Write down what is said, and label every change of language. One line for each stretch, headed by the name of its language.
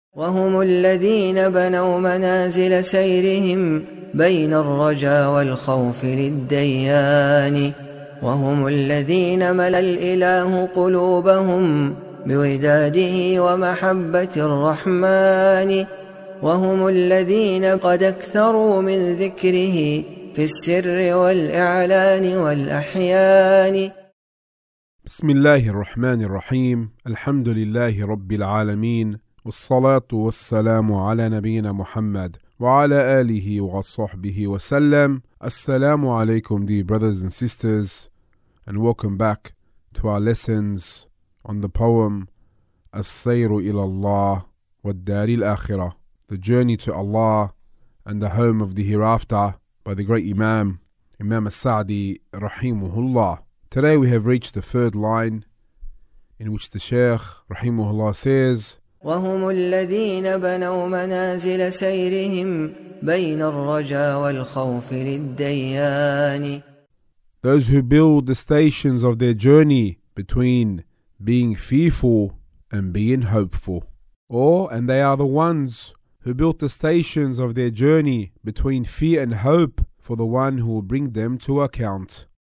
Arabic: وهم الذين بنوا منازل سيرهم بين الرجاء والخوف للديان، وهم الذين ملا الإله قلوبهم بوداده ومحبة الرحمن، وهم الذين قد أكثروا من ذكره في السر والإعلان والأحيان. بسم الله الرحمن الرحيم، الحمد لله رب العالمين، والصلاة والسلام على نبينا محمد وعلى آله وصحبه وسلم. السلام عليكم
English: dear brothers and sisters, and welcome back to our lessons on the poem السير إلى الله والدار الآخرة, The Journey to Allah and the Home of the Hereafter, by the great Imam, Imam As-Sa'di Rahimuhullah. Today we have reached the third line in which the Shaykh Rahimuhullah says,
Arabic: وهم الذين بنوا منازل سيرهم بين الرجاء والخوف للديان.
English: Those who build the stations of their journey between being fearful and being hopeful. And they are the ones who built the stations of their journey between fear and hope for the one who will bring them to account.